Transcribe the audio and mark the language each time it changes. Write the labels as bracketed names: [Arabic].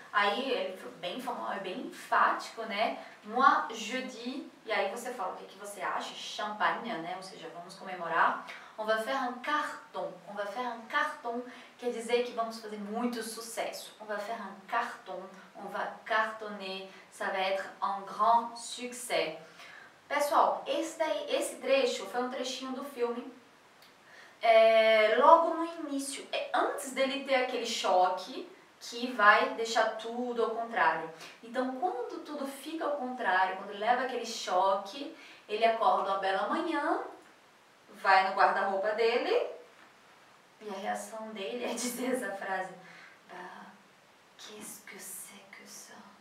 [Portuguese] Aí ele foi bem formal, bem enfático, né? [French] Moi, je dis. [Portuguese] E aí você fala o que, que você acha? Champagne, né? Ou seja, vamos comemorar. [French] On va faire un carton. On va faire un carton. [Portuguese] Quer dizer que vamos fazer muito sucesso. [French] On va faire un carton. On va cartonner. Ça va être un grand succès. [Portuguese] Pessoal, esse trecho foi um trechinho do filme. Logo no início, antes dele ter aquele choque que vai deixar tudo ao contrário. Então, quando tudo fica ao contrário, quando ele leva aquele choque, ele acorda uma bela manhã, vai no guarda-roupa dele, e a reação dele é dizer essa frase. [French] Bah, qu'est-ce que c'est que ça?